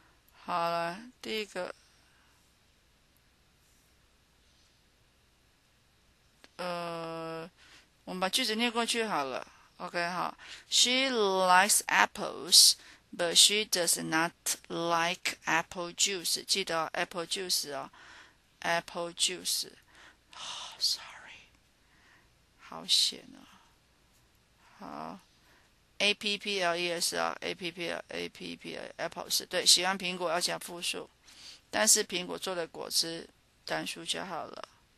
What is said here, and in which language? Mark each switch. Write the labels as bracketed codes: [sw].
[zh] 好了，第一个，我们把句子念过去好了。 [en] OK，好，She likes apples, but she does not like apple juice。 [zh] 记得哦， [en] apple juice [zh] 哦，apple juice。 Sorry，好险啊！好，apples 啊，apples，apples，对，喜欢苹果要加复数，但是苹果做的果汁单数就好了。